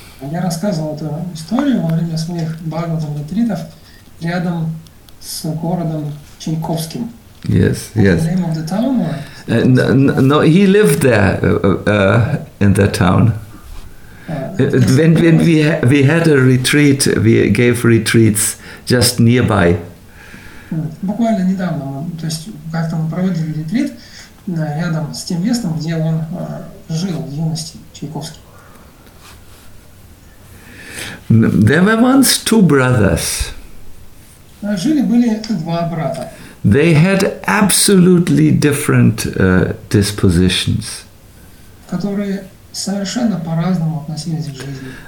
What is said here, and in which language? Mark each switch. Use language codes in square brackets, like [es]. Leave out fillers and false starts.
[ru] Я рассказывал эту историю во время своих [en] Bhagavatam retreats [ru] рядом с городом Чайковским. [en] Yes, yes. The name of the town? He lived there in that town. When we had a retreat, we gave retreats just nearby. [ru] Буквально недавно, то есть как-то мы проводили ретрит рядом с тем местом, где он жил в юности, Чайковский. [en] There were once two brothers. [ru] Жили-были два брата. [en] They had absolutely different dispositions. [ru] Которые совершенно по-разному относились к жизни.